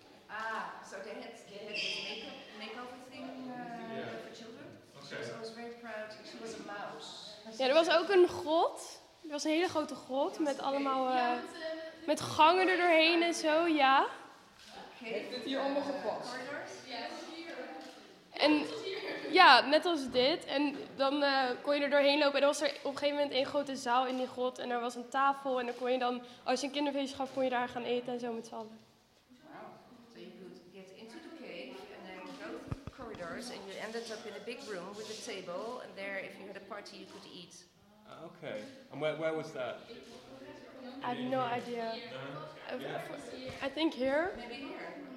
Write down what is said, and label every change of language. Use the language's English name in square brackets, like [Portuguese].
[English] Ah, so they had makeover thing for children. Okay. So I was very proud. She was a mouse. [Dutch] Ja, er was ook een grot. Er was een hele grote grot met allemaal met gangen er doorheen en zo. Ja. Heeft het hier allemaal gepast? En ja, net als dit. En dan kon je er doorheen lopen. En dan was er op een gegeven moment een grote zaal in die grot. En er was een tafel. En dan kon je dan, als je een kinderfeest gaf, kon je daar gaan eten en zo met z'n allen. Wow. [English] So you could get into the cave and then go through the corridors. And you ended up in a big room with a table. And there, if you had a party, you could eat. Okay. And where was that? I have no idea. Yeah. I think here. Maybe here.